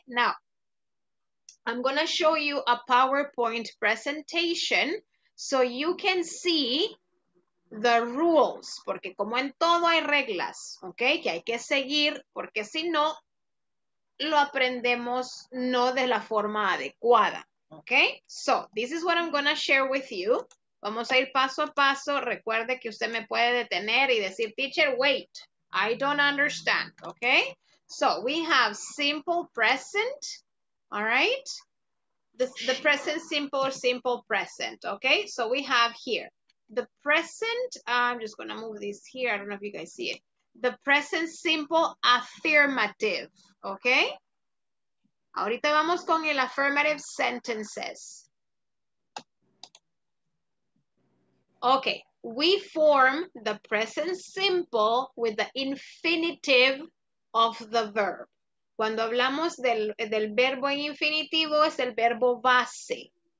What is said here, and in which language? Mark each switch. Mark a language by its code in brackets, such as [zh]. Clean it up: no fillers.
[en] Now, I'm going to show you a PowerPoint presentation so you can see the rules, [es] porque como en todo hay reglas, [en] ¿ok? [es] Que hay que seguir, porque si no, lo aprendemos no de la forma adecuada, ¿ok? [en] So, this is what I'm going to share with you. [es] Vamos a ir paso a paso. Recuerde que usted me puede detener y decir, [en] teacher, wait, I don't understand, [es] ¿ok? [en] So, we have simple present, all right? The present simple or simple present, ¿ok? So, we have here. The present, I'm just going to move this here. I don't know if you guys see it. The present simple affirmative, okay? [es] Ahorita vamos con el affirmative sentences. [en] Okay, we form the present simple with the infinitive of the verb. [es] Cuando hablamos del verbo en infinitivo es el verbo base.